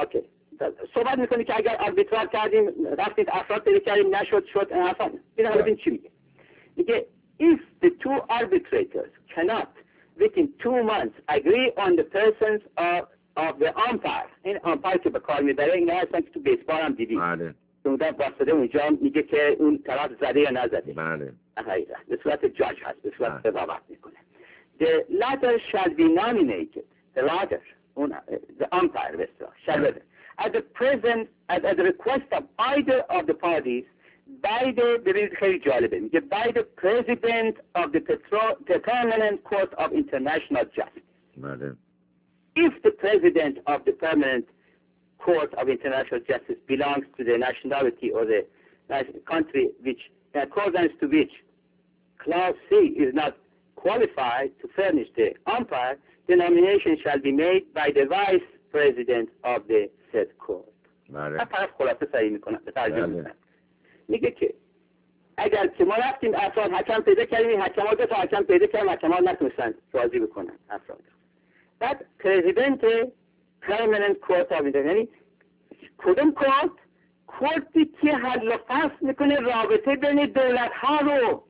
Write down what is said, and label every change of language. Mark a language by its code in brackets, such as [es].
[fa] اوکی صحبت میکنی که اگر آربیترار کردیم رفتید افراد پیدا کردیم نشد شد افراد بینه حالا بین چی میگه؟ میگه [en] if the two arbitrators cannot within two months agree on the persons of the umpire. [fa] این umpire که به کار میبره اینه هستن که تو بیسبال هم دیدی، بله، اون در باسده اونجا میگه که اون طرف زده یا نزده، بله، به صورت جاج هست، به صورت قضاوت میکنه. [en] The latter shall be nominated, the latter, the umpire shall be at the present at the request of either of the parties by the, [fa] ببینید خیلی جالبه، میگه [en] by the president of the permanent court of international justice. [fa] بله [en] if the president of the permanent court of international justice belongs to the nationality or the country which in accordance to which clause C is not qualified to furnish the umpire, the nomination shall be made by the vice president of the said court. [fa] بله. طرف خلاصه سعی میکنه ترجمه کنه. میگه که اگر که ما رفتیم افراد حکم پیدا کردیم، حکم ها دو تا حکم پیدا کردن، حکم ها نتونستن راضی بکنن افراد، بعد پرزیدنت پرمننت کورت آف اینترنشنال، یعنی کدوم کورت؟ کورتی که حل و فصل میکنه رابطه بین دولت ها رو.